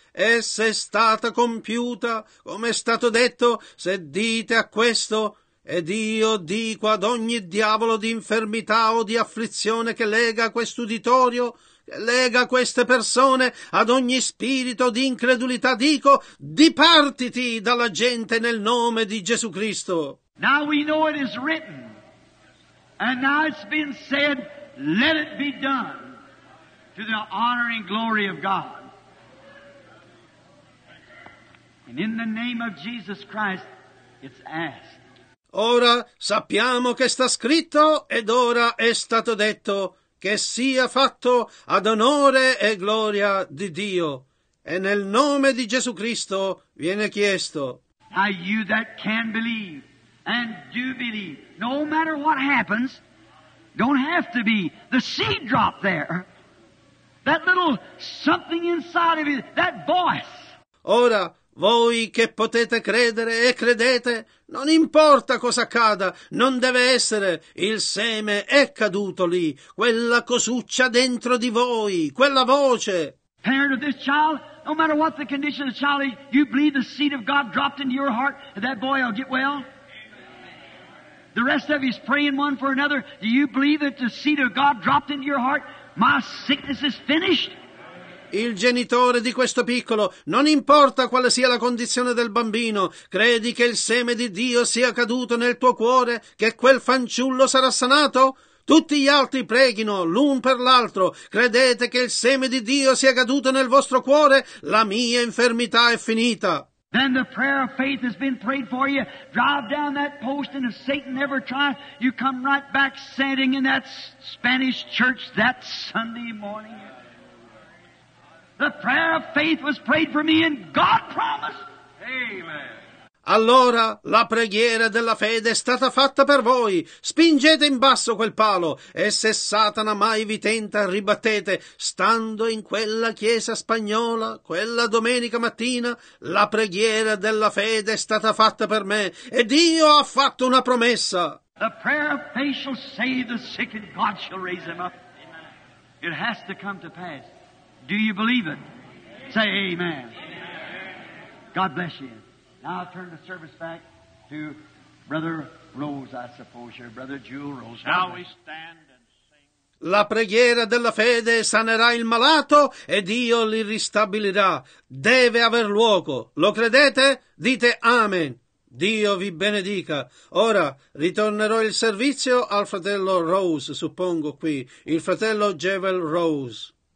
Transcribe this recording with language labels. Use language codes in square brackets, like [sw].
[it] Essa è stata compiuta, come è stato detto, se dite a questo, ed io dico ad ogni diavolo di infermità o di afflizione che lega quest'uditorio, Lega queste persone ad ogni spirito di incredulità. Dico, dipartiti dalla gente nel nome di Gesù Cristo. [en] Now we know it is written, and now it's been said, let it be done to the honor and glory of God. And in the name of Jesus Christ, it's asked. [it] Ora sappiamo che sta scritto ed ora è stato detto che sia fatto ad onore e gloria di Dio. E nel nome di Gesù Cristo viene chiesto. [en] Now you that can believe and do believe, no matter what happens, don't have to be the seed drop there. That little something inside of you, that voice. [it] Ora, voi che potete credere e credete, non importa cosa accada, non deve essere il seme, è caduto lì, quella cosuccia dentro di voi, quella voce. [en] Parent of this child, no matter what the condition of the child is, you believe the seed of God dropped into your heart, and that boy will get well? The rest of you is praying one for another, do you believe that the seed of God dropped into your heart, my sickness is finished? [it] Il genitore di questo piccolo, non importa quale sia la condizione del bambino, credi che il seme di Dio sia caduto nel tuo cuore, che quel fanciullo sarà sanato? Tutti gli altri preghino l'un per l'altro, credete che il seme di Dio sia caduto nel vostro cuore? La mia infermità è finita. [en] Then the prayer of faith has been prayed for you. Drive down that post, and if Satan ever tries, you come right back standing in that Spanish church that Sunday morning. The prayer of faith was prayed for me and God promised. Amen. [it] Allora la preghiera della fede è stata fatta per voi. Spingete in basso quel palo e se Satana mai vi tenta, ribattete. Stando in quella chiesa spagnola, quella domenica mattina, la preghiera della fede è stata fatta per me e Dio ha fatto una promessa. [en] The prayer of faith shall save the sick and God shall raise him up. It has to come to pass. Do you believe it? Say amen. Amen. God bless you. Now I'll turn the service back to Brother Rose, I suppose, here, Brother Jewel Rose. Now we stand. [it] La preghiera della fede sanerà il malato e Dio li ristabilirà. Deve aver luogo. Lo credete? Dite amen. Dio vi benedica. Ora ritornerò il servizio al fratello Rose, suppongo qui, il fratello Jewel Rose.